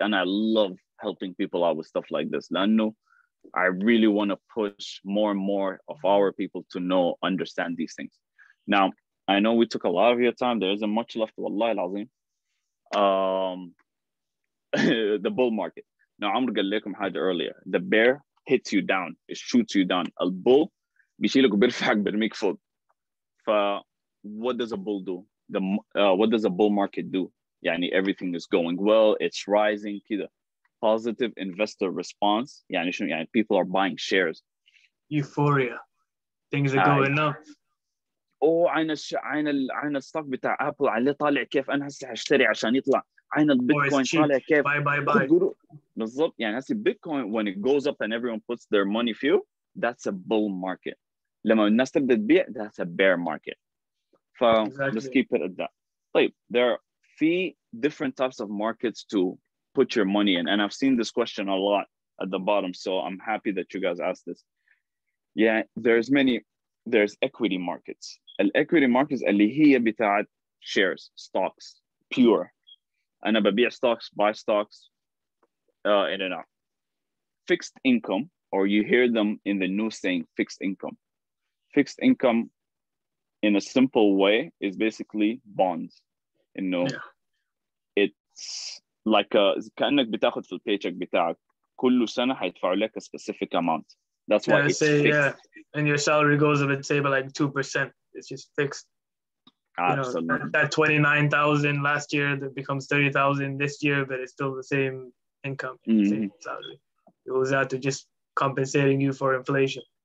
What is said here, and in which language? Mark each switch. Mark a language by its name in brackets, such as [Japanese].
[English] And I love helping people out with stuff like this. Lanu, I really want to push more and more of our people to know, understand these things. Now, I know we took a lot of your time. There isn't much left. Wallahi al-Azim. the bull market. Now, Amr [Arabic] قال لكم حاجة [English] earlier. The bear hits you down. It shoots you down. A bull [Arabic] بيشيلك وبيرفعك برميك فوق. [English] What does a bull do? What does a bull market do? [Arabic] يعني [English] everything is going well. It's rising. [Arabic] كده. [English] Positive investor response. [Arabic] يعني [English] people are buying shares. Euphoria. Things are going up. [Arabic] أوه عين الستوك بتاع أبل علي طالع كيف أنا هسي هشتري عشان يطلع عين البيتكوين طالع كيف بالضبط يعني هسي بيتكوين [English] when it goes up and everyone puts their money for you that's a bull market [Arabic] لما الناس تبدأ تبيع [English] that's a bear market [Arabic] ف [English] exactly. Just keep it at that [Arabic] طيب [English] there are three different types of markets to put your money in and I've seen this question a lot at the bottom so I'm happy that you guys asked this yeah there's equity markets [Arabic] الإكويتي ماركتز اللي هي بتاعت [English] shares, stocks, pure. [Arabic] أنا ببيع [English] stocks, buy stocks, in and out. Fixed income, or you hear them in the news saying fixed income. Fixed income, in a simple way, is basically bonds. You know, yeah. It's like [Arabic] كأنك بتاخد في paycheck بتاعك كل سنة هيدفعوا لك [English] a specific amount. That's why it's fixed. Yeah. And your salary goes up and say by like 2%. It's just fixed. Absolutely. You know, that 29,000 last year that becomes 30,000 this year, but it's still the same income, same salary. It was out to just compensating you for inflation.